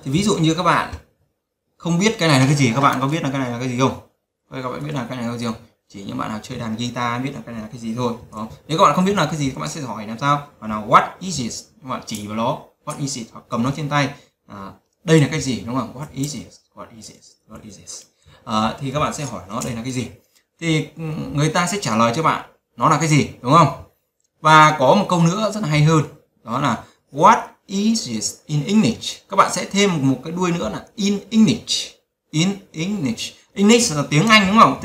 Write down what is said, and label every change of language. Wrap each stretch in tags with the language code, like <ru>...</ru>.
<vi>Thì ví dụ như các bạn không biết cái này là cái gì, các bạn có biết là cái này là cái gì không? Các bạn biết là cái này là cái gì không? Chỉ những bạn nào chơi đàn guitar biết là cái này là cái gì thôi. Đó. Nếu các bạn không biết là cái gì, các bạn sẽ hỏi làm sao? Và là</vi> <en>what is this,</en> <vi>các bạn chỉ vào nó,</vi> <en>what is it,</en> <vi>hoặc cầm nó trên tay. Đây là cái gì, đúng không?</vi> <en>What is this, what is this, what is this.</en> <vi>Thì các bạn sẽ hỏi nó đây là cái gì. Thì người ta sẽ trả lời cho bạn nó là cái gì, đúng không? Và có một câu nữa rất là hay hơn, đó là</vi> <en>what is this in English.</en> <vi>Các bạn sẽ thêm một cái đuôi nữa là in English. In English, English là tiếng Anh, đúng không?</vi>